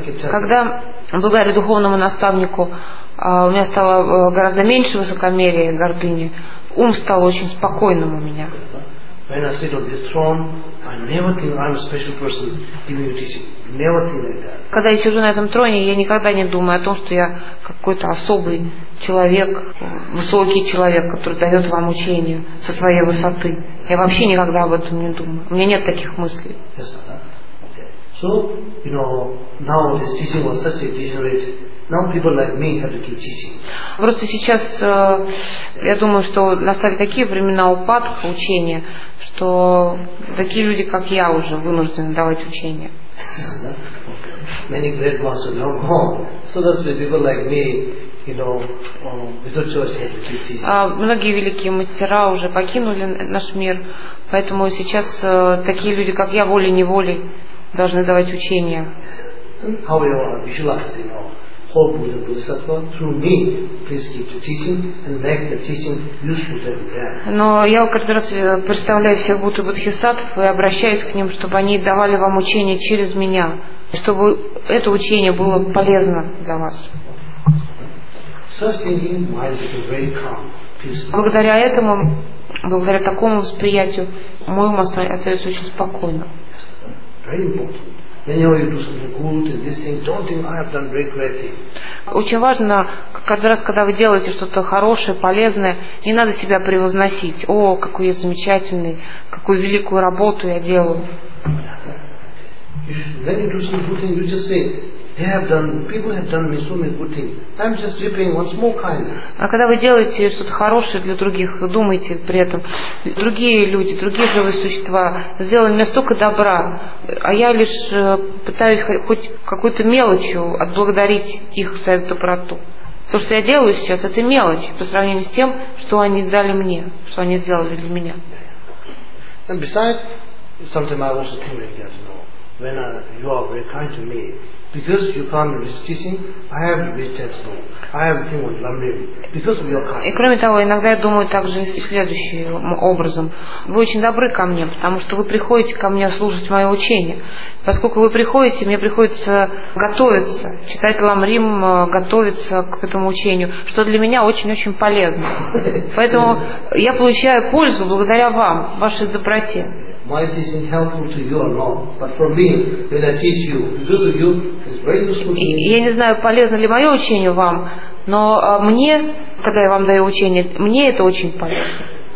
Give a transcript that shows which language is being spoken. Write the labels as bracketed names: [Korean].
[Russian] Когда благодаря духовному наставнику у меня стало гораздо меньше высокомерия и гордыни, ум стал очень спокойным у меня. [English] When I sit on this throne, I never think I'm a special person in UTC. Never think like that. [Russian] Когда я сижу на этом троне, я никогда не думаю о том, что я какой-то особый человек, высокий человек, который дает вам учение со своей высоты. Я вообще никогда об этом не думаю. У меня нет таких мыслей. [English] Yes, okay. So, you know, now this teaching was such a degenerate. Now people like me have to keep teaching. [Russian] Просто сейчас я думаю, что настали такие времена упадка учения, что такие люди, как я, уже вынуждены давать учение. [English] Many great masters long gone. So that's why people like me, you know, without choice have to keep teaching. [Russian] Многие великие мастера уже покинули наш мир, поэтому сейчас такие люди, как я, волей-неволей должны давать учение. [English] How we are visualized, you know. All Buddha Bodhisattva through me, please keep the teaching and make the teaching useful to them. [Russian] Но я каждый раз представляю всех Будды Бодхисаттв и обращаюсь к ним, чтобы они давали вам учение через меня, чтобы это учение было полезно для вас. [English] Such thinking, mind became very calm, peaceful. [Russian] Благодаря этому, благодаря такому восприятию, мой ум остается очень спокойным. [English] Very important. Whenever you do something good and this thing, don't think I have done very great thing. [Russian] Очень важно, каждый раз, когда вы делаете что-то хорошее, полезное, не надо себя превозносить. О, какой я замечательный, какую великую работу я делаю. [English] When you do some good thing, you just say, they have done, people have done me so many good things. I'm just repaying one small kindness. [Russian] А когда вы делаете что-то хорошее для других, думайте при этом, другие люди, другие живые существа сделали мне столько добра, а я лишь пытаюсь хоть какой-то мелочью отблагодарить их за эту доброту. То, что я делаю сейчас, это мелочь по сравнению с тем, что они дали мне, что они сделали для меня. [English] And besides, sometimes I also think like that, you know, when you are very kind to me. Because you come with teaching, I have meditation. I have thing with lamrim. Because of your kindness. [Russian] И кроме того, иногда я думаю также и следующим образом. Вы очень добры ко мне, потому что вы приходите ко мне слушать мое учение. Поскольку вы приходите, мне приходится готовиться, читать ламрим, готовиться к этому учению, что для меня очень-очень полезно. Поэтому я получаю пользу благодаря вам, вашей доброте. [English] My teaching helpful to you or not, but for me, when I teach you, because of you. [Russian] Я не знаю, полезно ли мое учение вам, но мне, когда я вам даю учение, мне это очень полезно.